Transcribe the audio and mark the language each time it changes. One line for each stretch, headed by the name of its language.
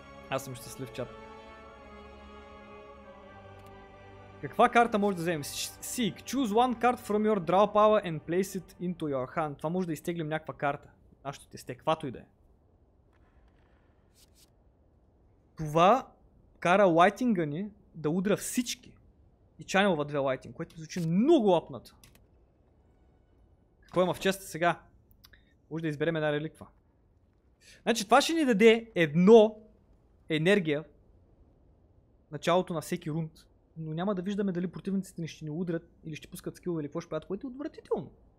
Bulgarian: Аз съм щастлив, чат. Каква карта може да вземем?
English: Seek. Choose one card from your draw power and place it into your hand.
Bulgarian: Това може да изтеглим някаква карта. Аз ще те сте, квато и да е. Това кара лайтинга ни да удря всички и чанелва две лайтинг, което звучи много лапнато. Какво има в честа сега? Може да изберем една реликва. Значи това ще ни даде едно енергия началото на всеки рунд, но няма да виждаме дали противниците ни ще ни удрят или ще пускат скилове или какво ще правят, което е отвратително.